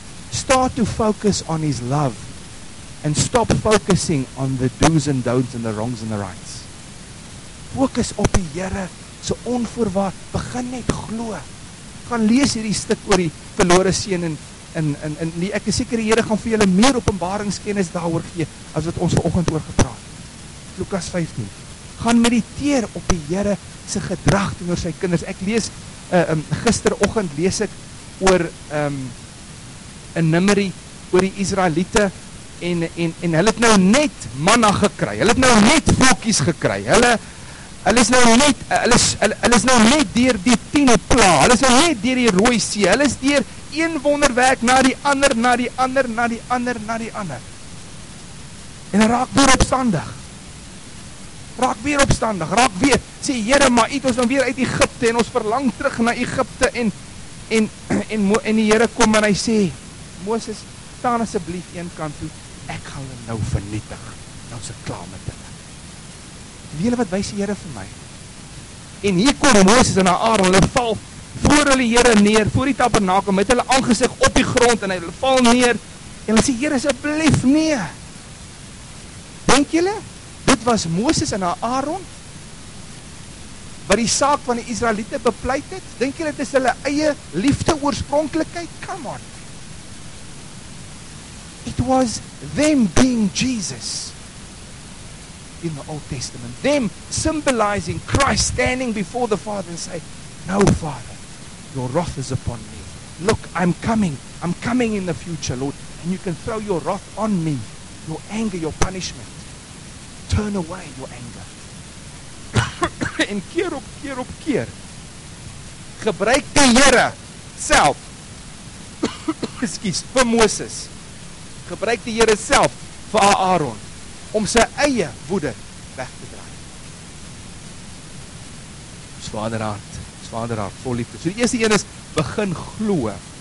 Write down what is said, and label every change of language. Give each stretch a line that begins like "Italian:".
English: Start to focus on his love and stop focusing on the do's and don'ts and the wrongs and the rights.
Afrikaans: Fokus op die Here se onvoorwaard. Begin net glo. Gaan lees hierdie stuk oor die verlore seun en nie, ek is seker die Here gaan vir julle meer openbaringskennis daaroor gee as wat ons vanoggend oor gepraat het. Lukas 15. Gaan mediteer op die Here se gedrag teenoor sy kinders. Ek lees gisteroggend lees ek oor 'n Numeri oor die Israeliete en hulle het nou net manna gekry. Hulle het nou net voetjies gekry. Hulle is nou net deur die 10 pla. Hulle is nou net deur die Rooi See. Hulle is deur een wonderwerk na die ander. En raak weer opstandig. Raak weer. Sê Here, maar het ons nou weer uit Egipte en ons verlang terug na Egipte en die Here kom en hy sê, Moses, staan asseblief een kant toe. Ek gaan hulle nou vernietig. Nou is ek klaar met dit. Wiele wat wys die Here vir my. En hier kom Moses en Aaron, hulle val voor hulle Here neer, voor die tabernakel met hulle aangesig op die grond en hulle val neer. En hulle sê Here asseblief nee. Dink julle? Dit was Moses en Aaron wat die saak van die Israeliete bepleit het. Dink julle dit is hulle eie liefde oorspronklikheid?
English: Come on. It was them being Jesus in the Old Testament, them symbolizing Christ standing before the Father and say, no Father, your wrath is upon me. Look, I'm coming in the future, Lord, and you can throw your wrath on me, your anger, your punishment. Turn away your anger.
Afrikaans: En keer op keer, gebruik die Here self, excuse, vir Moses, gebruik die Here self vir Aaron, om sy eie woede weg te draai. Svaderhart, vol liefde. So die eerste een is, begin glo.